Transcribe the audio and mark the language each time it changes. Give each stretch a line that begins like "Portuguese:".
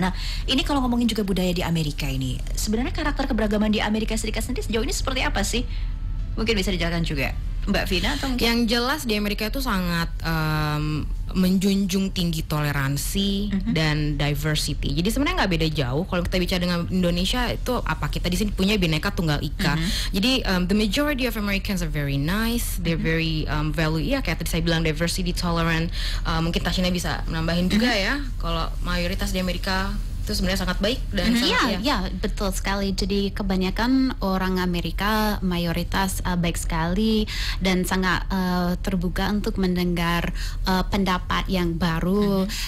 Indonesian: Nah, ini kalau ngomongin juga budaya di Amerika ini, sebenarnya karakter keberagaman di Amerika Serikat sendiri sejauh ini seperti apa sih? Mungkin bisa dijelaskan juga Mbak Vina atau mungkin? Yang jelas di Amerika itu sangat menjunjung tinggi toleransi uh-huh. dan diversity. Jadi sebenarnya nggak beda jauh. Kalau kita bicara dengan Indonesia itu apa, kita di sini punya Bhinneka Tunggal Ika. Uh-huh.
English: Jadi the majority of Americans are very nice. They're uh-huh. very value.
Indonesian: Iya, kayak tadi saya bilang diversity tolerant. Mungkin Tashina bisa menambahin juga uh-huh. ya. Kalau mayoritas di Amerika itu sebenarnya sangat baik dan iya, mm-hmm. ya, betul sekali. Jadi kebanyakan orang Amerika mayoritas baik sekali dan sangat terbuka untuk mendengar pendapat yang baru, mm-hmm.